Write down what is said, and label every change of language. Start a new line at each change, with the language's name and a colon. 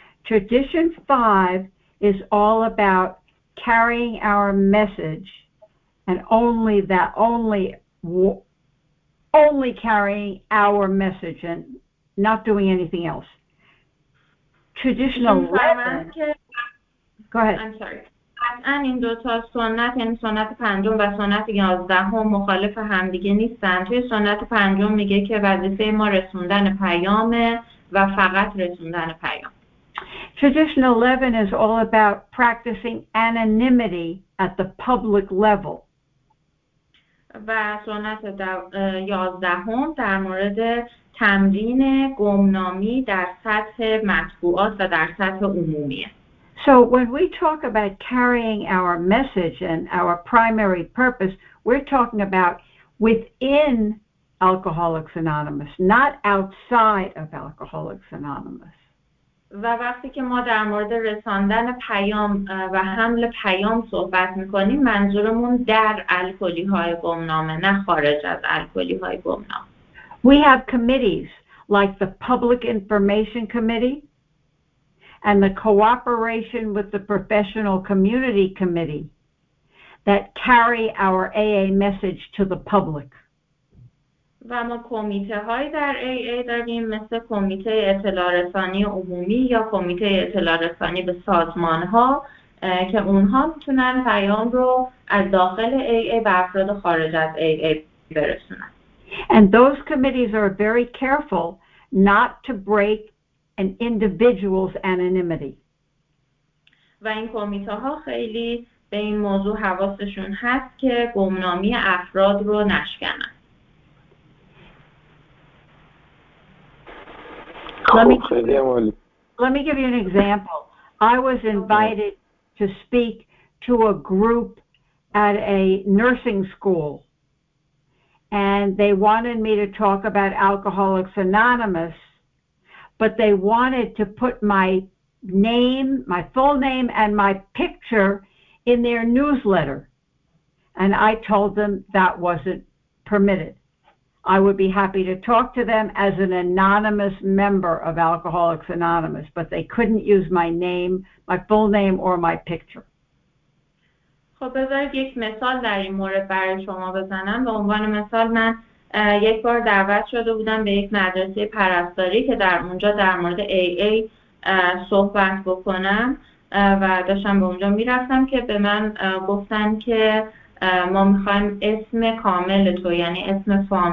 English: Tradition 5 is all about carrying our message, and only that, only carrying our message and not doing anything else. Tradition 11. Go ahead. I'm sorry.
Persian: قطعاً این دوتا سنت، یعنی سنت پنجم و سنت یازدهم، مخالف همدیگه نیستن. توی سنت پنجم میگه که وظیفه ما رسوندن پیامه و فقط رسوندن پیام.
English: Tradition 11 is all about practicing anonymity at the public level.
Persian: و سنت یازدهم در مورد تمرین گمنامی در سطح مطبوعات و در سطح عمومیه.
English: So when we talk about carrying our message and our primary purpose, we're talking about within Alcoholics Anonymous, not outside of Alcoholics Anonymous.
Persian: و وقتی که ما در مورد رساندن پیام و حمل پیام صحبت می‌کنیم، منظورمون در الکلی‌های گمنامه، نه خارج از الکلی‌های گمنامه.
English: We have committees like the Public Information Committee and the cooperation with the professional community committee that carry our AA message to the public.
Persian: و ما کمیته های در AA داریم، مثل کمیته اطلاع رسانی عمومی یا کمیته اطلاع رسانی به سازمان ها، که اونها میتونن پیام رو از داخل AA به افراد خارج از AA برسونن.
English: And those committees are very careful not to break an individual's anonymity.
Persian: و این کمیته‌ها خیلی به این موضوع حواسشون هست که گمنامی افراد رو نشکنن.
English: Let me give you an example. I was invited to speak to a group at a nursing school, and they wanted me to talk about Alcoholics Anonymous. But they wanted to put my name, my full name, and my picture in their newsletter. And I told them that wasn't permitted. I would be happy to talk to them as an anonymous member of Alcoholics Anonymous, but they couldn't use my name, my full name, or my picture.
Persian: خب بذارید یک مثال در این مورد برای شما بزنم. به عنوان مثال، من یک بار دعوت شده بودم به یک مدرسه پرستاری که در اونجا در مورد AA صحبت بکنم و داشتم به اونجا میرفتم که به من گفتن که ما میخوایم اسم کامل تو، یعنی اسم